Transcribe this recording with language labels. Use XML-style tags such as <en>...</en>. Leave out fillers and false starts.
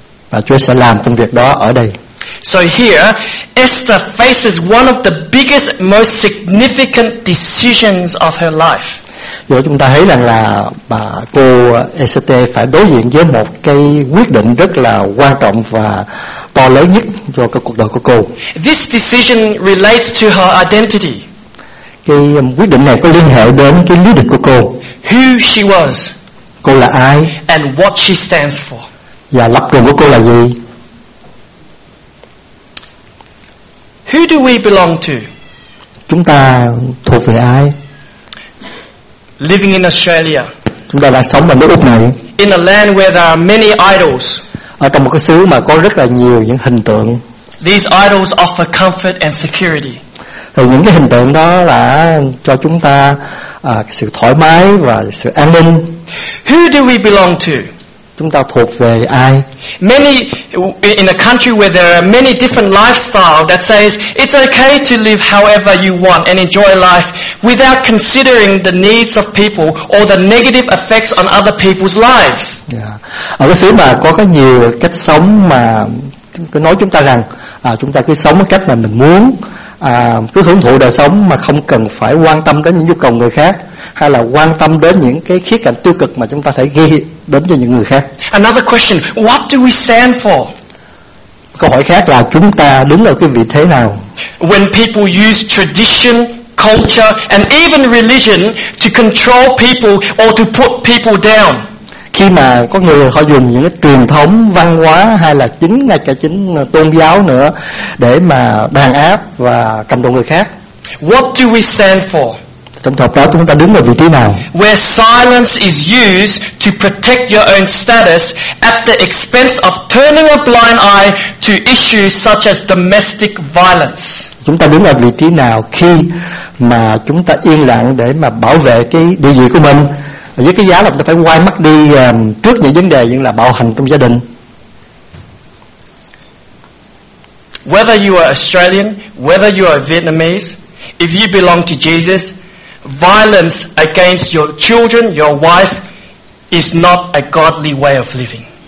<vi>Và Chúa sẽ làm công việc đó ở đây.</vi> <en>So here, Esther faces one of the biggest, most significant decisions of her life.</en> <vi>Giờ chúng ta thấy rằng là bà cô Esther phải đối diện với một cái quyết định rất là quan trọng và to lớn nhất cho cái cuộc đời của cô.</vi> <en>This decision relates to her identity.</en> <vi>Cái quyết định này có liên hệ đến cái lý lịch của cô.</vi> <en>Who she was.</en> <vi>Cô là ai?</vi> <en>And what she stands for.</en> <vi>Và lập trường của cô là gì?</vi> <en>Who do we belong to?</en> <vi>Chúng ta thuộc về ai?</vi> <en>Living in Australia.</en> <vi>Chúng ta đang sống ở nước Úc này.</vi> <en>In a land where there are many idols.</en> <vi>Ở trong một cái xứ mà có rất là nhiều những hình tượng.</vi> <en>These idols offer comfort and security.</en> <vi>Thì những cái hình tượng đó là cho chúng ta sự thoải mái và sự an ninh.</vi> <en>Who do we belong to?</en> <vi>Chúng ta thuộc về ai?</vi> <en>Many in a country where there are many different lifestyles that says it's okay to live however you want and enjoy life without considering the needs of people or the negative effects on other people's lives. Yeah.</en> <vi>Ở cái xứ mà có rất nhiều cách sống mà cứ nói chúng ta rằng chúng ta cứ sống cách mà mình muốn, cứ hưởng thụ đời sống mà không cần phải quan tâm đến những nhu cầu người khác hay là quan tâm đến những cái khía cạnh tiêu cực mà chúng ta thể ghi đến cho những người khác.</vi> <en>Another question, what do we stand for?</en> <vi>Câu hỏi khác là chúng ta đứng ở cái vị thế nào?</vi> <en>When people use tradition, culture and even religion to control people or to put people down.</en> <vi>Khi mà có người họ dùng những cái truyền thống văn hóa hay là chính ngay cả chính tôn giáo nữa để mà đàn áp và cầm đầu người khác.</vi> <en>What do we stand for?</en> <vi>Trong thời đó chúng ta đứng ở vị trí nào?</vi> <en>Where silence is used to protect your own status at the expense of turning a blind eye to issues such as domestic violence.</en> <vi>Chúng ta đứng ở vị trí nào khi mà chúng ta yên lặng để mà bảo vệ cái địa vị của mình với cái giá là chúng ta phải quay mắt đi trước những vấn đề như là bạo hành trong gia đình?</vi> <en>Whether you are Australian, whether you are Vietnamese, if you belong to Jesus, violence against your children, your wife is not a godly way of living.</en>